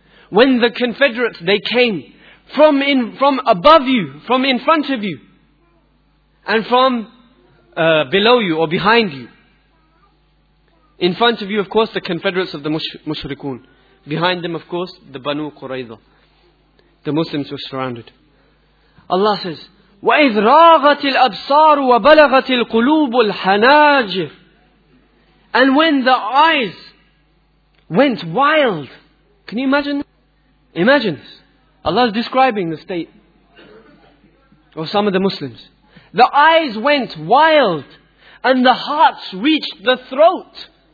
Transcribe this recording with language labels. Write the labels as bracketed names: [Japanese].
[English] When the confederates, they came from above you, from in front of you, and from below you or behind you. In front of you, of course, the confederates of the mushrikun. Behind them, of course, the Banu Qurayza. The Muslims were surrounded. Allah says, [Arabic] وَإِذْ رَاغَتِ الْأَبْصَارُ وَبَلَغَتِ الْقُلُوبُ الْحَنَاجِرُ. [English] And when the eyes went wild. Can you imagine? Imagine this. Allah is describing the state of some of the Muslims. The eyes went wild and the hearts reached the throat.